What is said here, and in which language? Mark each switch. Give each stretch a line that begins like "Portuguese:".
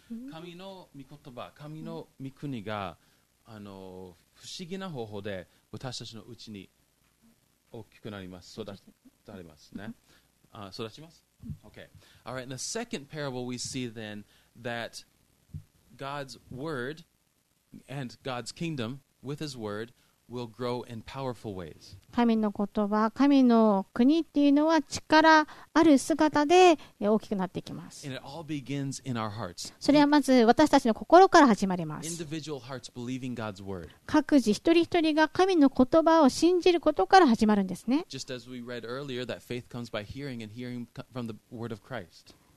Japanese: 神の御言葉、神の御国が不思議な方法で私たちのうちに大きくなります。育ちます。Okay.
English: All right. In the second parable, we see then that God's word and God's kingdom with His word will grow in powerful ways.
Japanese: 神の言葉、神の国っていうのは力ある姿で大きくなっていきます。
English: And it all begins in our hearts.
Japanese: それはまず私たちの心から始まります。
English: Individual hearts believing God's word.
Japanese: 各自一人一人が神の言葉を信じることから始まるんですね。
English: Just as we read earlier, that faith comes by hearing and hearing from the word of Christ.